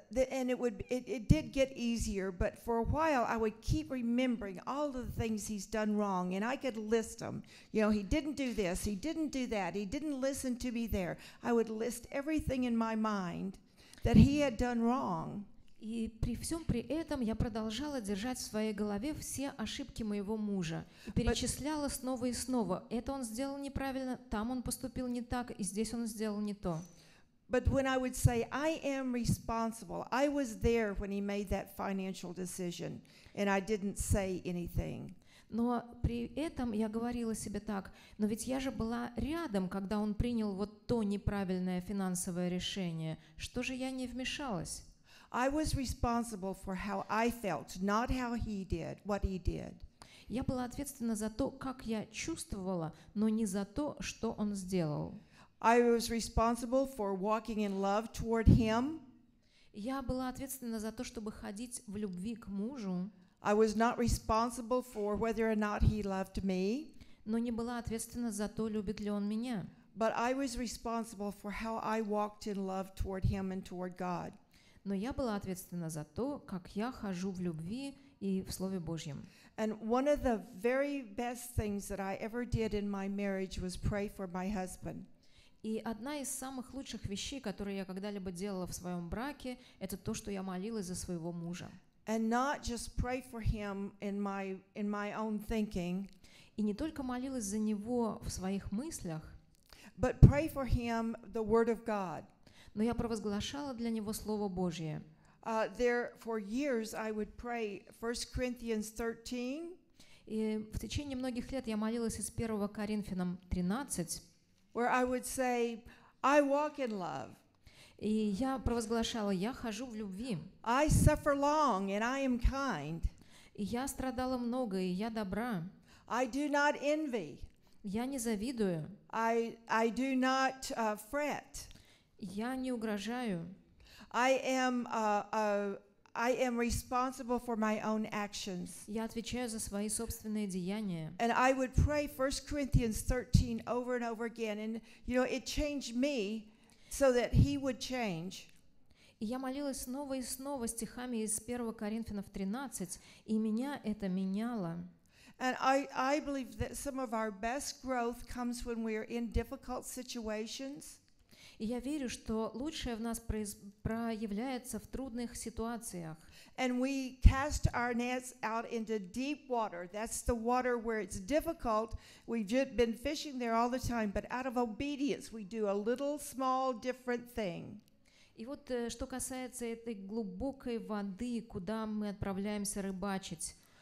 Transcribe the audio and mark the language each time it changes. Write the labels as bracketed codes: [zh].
[en] And it did get easier, but for a while I would keep remembering all of the things he's done wrong, and I could list them. You know, he didn't do this, he didn't do that, he didn't listen to me there. I would list everything in my mind that he had done wrong. [ru] И при всем при этом я продолжала держать в своей голове все ошибки моего мужа и перечисляла снова и снова. Это он сделал неправильно, там он поступил не так, и здесь он сделал не то. [en] But when I would say, I am responsible, I was there when he made that financial decision, and I didn't say anything. [ru] Но при этом я говорила себе так: но ведь я же была рядом, когда он принял вот то неправильное финансовое решение. Что же я не вмешалась? [en] I was responsible for how I felt, not how he did, what he did. [ru] Я была ответственна за то, как я чувствовала, но не за то, что он сделал. [en] I was responsible for walking in love toward him. [ru] Я была ответственна за то, чтобы ходить в любви к мужу. [en] I was not responsible for whether or not he loved me. [ru] Но не была ответственна за то, любит ли он меня. [en] But I was responsible for how I walked in love toward him and toward God. [ru] Но я была ответственна за то, как я хожу в любви и в Слове Божьем. [en] And one of the very best things that I ever did in my marriage was pray for my husband. [ru] И одна из самых лучших вещей, которые я когда-либо делала в своем браке, это то, что я молилась за своего мужа. [en] And not just pray for him in my own thinking. [ru] И не только молилась за него в своих мыслях, [en] but pray for him the word of God. [ru] Но я провозглашала для него Слово Божье. [en] There for years I would pray 1 Corinthians 13. [ru] И в течение многих лет я молилась из 1 Коринфянам 13. [en] Where I would say, I walk in love. [ru] И я провозглашала: я хожу в любви. [en] I suffer long and I am kind. [ru] И я страдала много, и я добра. [en] I do not envy. [ru] Я не завидую. [en] I do not fret. [ru] Я не угрожаю. [en] I am I am responsible for my own actions. [ru] Я отвечаю за свои собственные деяния. [en] And I would pray 1 Corinthians 13 over and over again, and you know, it changed me so that he would change. [ru] Я молилась снова и снова стихами из 1 Коринфянам 13, и меня это меняло. [en] And I believe that some of our best growth comes when we are in difficult situations. [ru] И я верю, что лучшее в нас проявляется в трудных ситуациях. [en] And we cast our nets out into deep water. That's the water where it's difficult. We've been fishing there all the time, but out of obedience we do a little small different thing. [ru] И вот что касается этой глубокой воды, куда мы отправляемся рыбачить.